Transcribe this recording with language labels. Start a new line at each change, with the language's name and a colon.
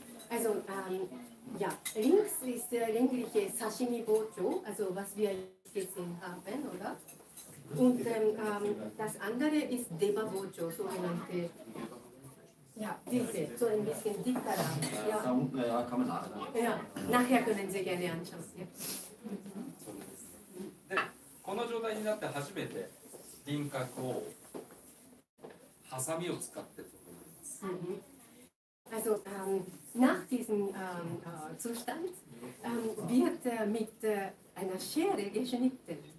German: Also ja, links ist der längliche Sashimi-Bocho, also was wir gesehen haben, oder? Und das andere ist Deba-Bocho, sogenannte. Ja, diese, so ein bisschen dickerer. Ja, kann man sagen. Ja, nachher können Sie gerne anschauen. Ja.
Japanese: この状態になって初めて輪郭をハサミを使って取ります。
German: Also, nach diesem Zustand wird mit einer Schere geschnitten.